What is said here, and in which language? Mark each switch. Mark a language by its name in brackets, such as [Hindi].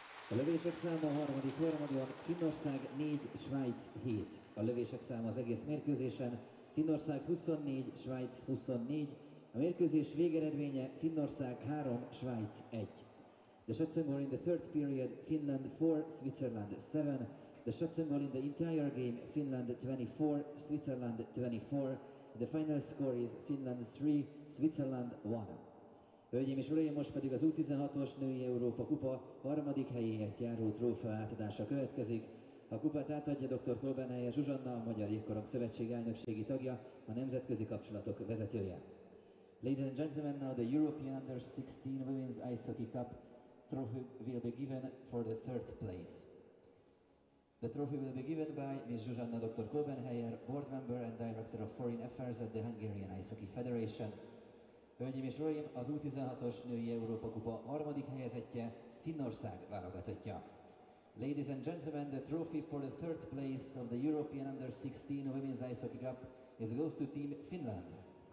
[Hungarian] A lövések száma a harmadik harmadban, Finnország 4, Svájc 7. A lövések száma az egész mérkőzésen, Finnország 24, Svájc 24. A mérkőzés végeredménye Finnország 3, Svájc 1. [English] The shots on goal in the third period, Finland 4, Switzerland 7. The shots on goal in the entire game, Finland 24, Switzerland 24. The final score is Finland 3, Switzerland 1. [Hungarian] Hölgyeim és Uraim, most pedig az U16-os Női Európa Kupa harmadik helyéért járó trófea átadása következik. A kupát átadja dr. Kolbenheier Zsuzsanna, a Magyar Jégkorong Szövetség elnökségi tagja, a nemzetközi kapcsolatok vezetője. [English] Ladies and gentlemen, now the European Under 16 Women's Ice Hockey Cup trophy will be given for the third place. The trophy will be given by Ms. Zsuzsanna dr. Kolbenheier, board member and director of foreign affairs at the Hungarian Ice Hockey Federation. [Hungarian] Hölgyeim és Uraim, az U16-os Női Európa Kupa harmadik helyezettje, Finnország válogatottja. [English] Ladies and gentlemen, the trophy for the third place of the European Under 16 Women's Ice Hockey Cup goes to Team Finland.